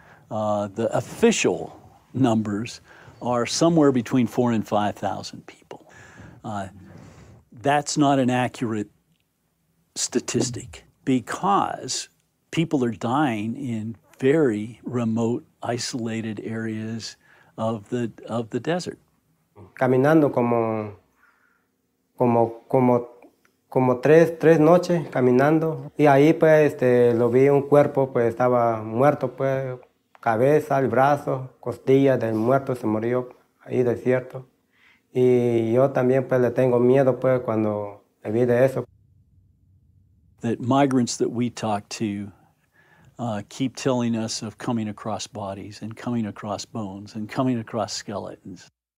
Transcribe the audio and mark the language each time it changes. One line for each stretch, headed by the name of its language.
English: The official numbers are somewhere between 4,000 and 5,000 people. That's not an accurate statistic because people are dying in very remote, isolated areas of the desert.
Spanish: Caminando como tres noches caminando, y ahí pues lo vi un cuerpo pues estaba muerto pues cabeza, el brazo, costilla del muerto se murió ahí desierto. Y yo también pues le tengo miedo pues cuando vi de eso.
English: That migrants that we talk to keep telling us of coming across bodies and coming across bones and coming across skeletons.